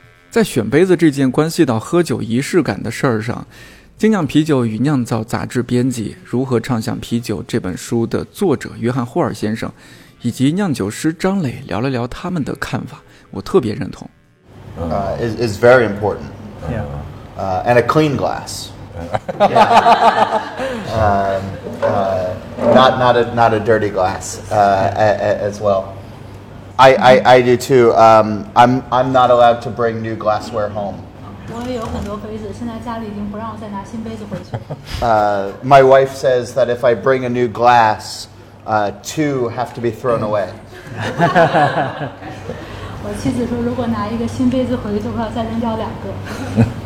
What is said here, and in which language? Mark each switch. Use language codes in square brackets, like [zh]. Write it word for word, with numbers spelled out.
[zh] 在选杯子这件关系到喝酒仪式感的事儿上，精酿啤酒与酿造杂志编辑《如何畅想啤酒》这本书的作者约翰霍尔先生以及酿酒师张磊聊了聊他们的看法，我特别认同。 [en] uh, It's very important、 yeah. uh, And a clean glass yeah. um, uh, not, not, a, not a dirty glass uh, as well I, I, I do too. Um, I'm, I'm not allowed to bring new glassware home. [zh] 我也有很多杯子，现在家里已经不让我再拿新杯子回去。 [en] Uh, my wife says that if I bring a new glass, uh, two have to be thrown away. [zh] 我妻子说，如果拿一个新杯子回去的话，再扔掉两个。